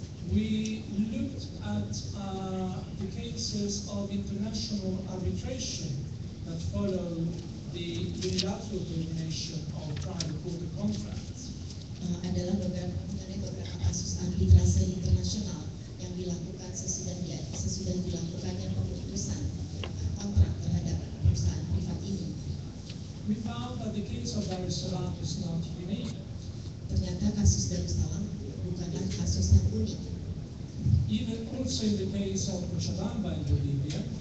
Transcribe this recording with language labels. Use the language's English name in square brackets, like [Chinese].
[English] We looked at the cases of international arbitration that follow the unilateral termination of private water contracts. [Indonesian] Adalah beberapa kasus arbitrase internasional yang dilakukan sesudah dilakukannya pemutusan kontrak terhadap perusahaan privat ini. [English] We found that the case of Darussalam is not unique. [Indonesian] Ternyata kasus Darussalam bukanlah kasus yang unik. [English] Even also in the case of Cochabamba in Bolivia.